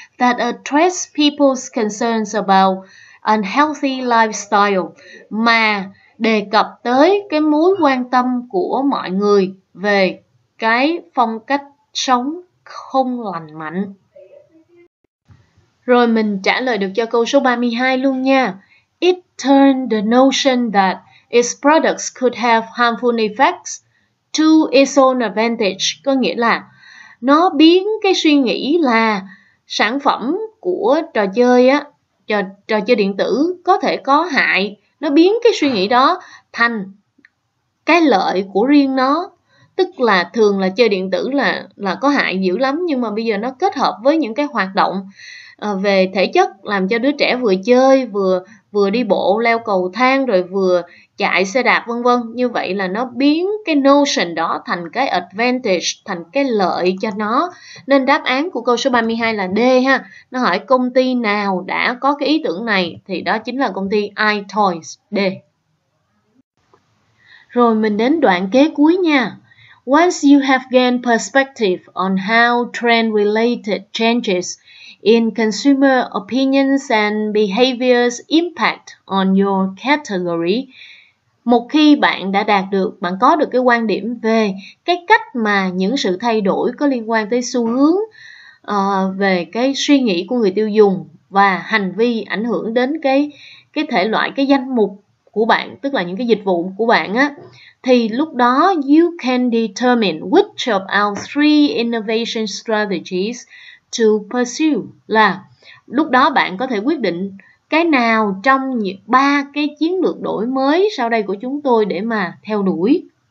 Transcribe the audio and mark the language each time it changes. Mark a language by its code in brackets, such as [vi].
[en] that addressed people's concerns about unhealthy lifestyle, [vi] mà đề cập tới cái mối quan tâm của mọi người về cái phong cách sống không lành mạnh. Rồi mình trả lời được cho câu số 32 luôn nha. [en] It turned the notion that its products could have harmful effects to its own advantage. [vi] Có nghĩa là nó biến cái suy nghĩ là sản phẩm của trò chơi á, trò chơi điện tử có thể có hại, nó biến cái suy nghĩ đó thành cái lợi của riêng nó. Tức là thường là chơi điện tử là có hại dữ lắm, nhưng mà bây giờ nó kết hợp với những cái hoạt động về thể chất, làm cho đứa trẻ vừa chơi, vừa đi bộ, leo cầu thang, rồi vừa chạy xe đạp vân vân. Như vậy là nó biến cái notion đó thành cái advantage, thành cái lợi cho nó. Nên đáp án của câu số 32 là D ha. Nó hỏi công ty nào đã có cái ý tưởng này, thì đó chính là công ty iToys. D. Rồi mình đến đoạn kế cuối nha. [en] Once you have gained perspective on how trend-related changes in consumer opinions and behaviors impact on your category, [vi] một khi bạn đã đạt được, bạn có được cái quan điểm về cái cách mà những sự thay đổi có liên quan tới xu hướng về cái suy nghĩ của người tiêu dùng và hành vi ảnh hưởng đến cái thể loại, cái danh mục của bạn, tức là những cái dịch vụ của bạn á, thì lúc đó [en] you can determine which of our three innovation strategies to pursue, [vi] là lúc đó bạn có thể quyết định cái nào trong ba cái chiến lược đổi mới sau đây của chúng tôi để mà theo đuổi.